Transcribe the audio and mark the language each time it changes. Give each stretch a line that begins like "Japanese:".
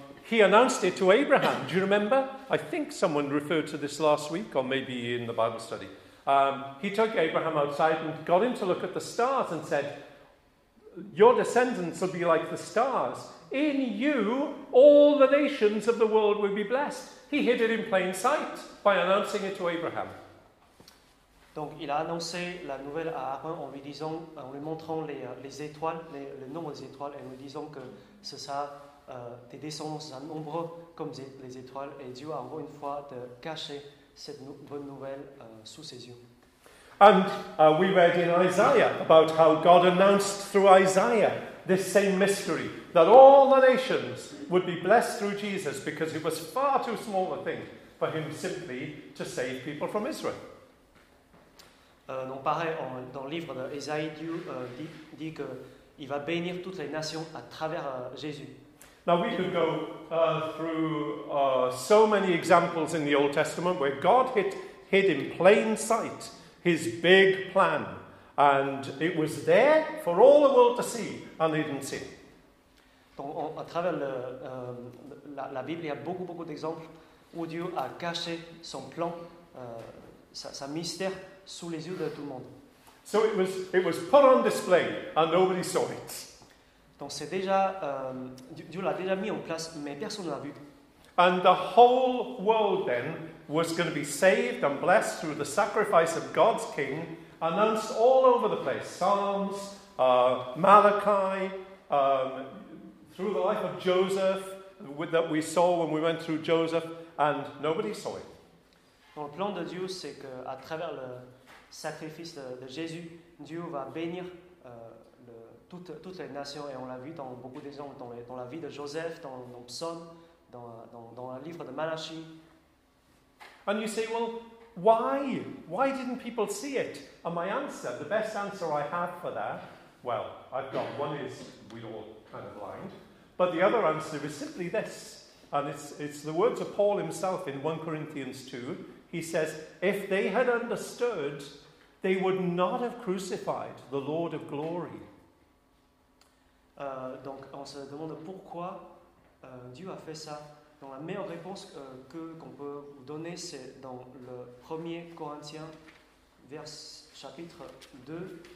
English: He announced it to Abraham. Do you remember? I think someone referred to this last week, or maybe in the Bible study. He took Abraham outside and got him to look at the stars and said, your descendants will be like the stars. In you, all the nations of the world will be blessed. He hid it in plain sight by announcing it to Abraham.
French: Donc, il a annoncé la nouvelle à Abraham en lui disant, en lui montrant les étoiles, le nombre des étoiles, et en lui disant que ce sera tes descendants sont nombreux comme les étoiles, et Dieu a encore une fois de cacher cette bonne nouvelle sous ses yeux.
English: And we read in Isaiah about how God announced through Isaiah this same mystery, that all the nations would be blessed through Jesus, because it was far too small a thing for him simply to save people from Israel.
French: Donc pareil, dans le livre d'Ésaïe, Dieu dit qu'il va bénir toutes les nations à travers Jésus.
English: Now we could go through so many examples in the Old Testament where God hid in plain sight his big plan, and it was there for all the world to see, and they didn't see.
French: Donc à travers la Bible, il y a beaucoup d'exemples où Dieu a caché son plan, sa mystère sous les yeux de tout le monde.
English: So it was put on display and nobody saw it.
French: Donc c'est déjà Dieu l'a déjà mis en place, mais personne ne l'a vu.
English: And the whole world then was going to be saved and blessed through the sacrifice of God's King, announced all over the place. Psalms, Malachi, through the life of Joseph, that we saw when we went through Joseph, and nobody saw it.
French: Donc, le plan de Dieu, c'est qu'à travers le sacrifice de Jésus, Dieu va bénir toutes les nations, et on l'a vu dans beaucoup d'exemples, dans la vie de Joseph, dans Psaume, dans le livre de Malachi.
English: And you say, well, why? Why didn't people see it? And my answer, the best answer I have for that, well, I've got one is we're all kind of blind, but the other answer is simply this, and it's the words of Paul himself in 1 Corinthians 2. He says, if they had understood, they would not have crucified the Lord of glory.
French: Donc on se demande pourquoi Dieu a fait ça. Donc la meilleure réponse qu'on peut vous donner, c'est dans le 1 Corinthiens, chapitre 2,